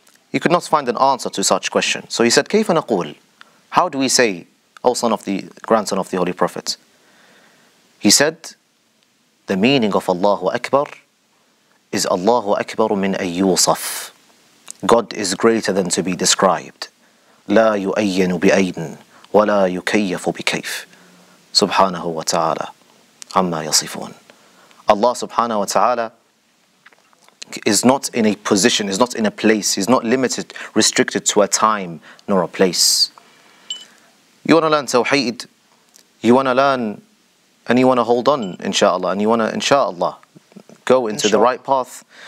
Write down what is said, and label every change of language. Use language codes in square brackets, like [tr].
[en] He could not find an answer to such question. So he said, [ar] كيف نقول? [en] How do we say, O son of the grandson of the Holy Prophet? He said, the meaning of Allahu Akbar is [ar] Allahu Akbar min ayyusaf. [en] God is greater than to be described. [ar] لا يؤين بأين ولا يكيف بكيف. Subhanahu wa ta'ala, amma yasifun. [en] Allah subhanahu wa ta'ala is not in a position, is not in a place, is not limited, restricted to a time nor a place. You want to learn tawheed, you want to learn, and you want to hold on, inshallah, and you want to, inshallah, go into inshallah. The right path.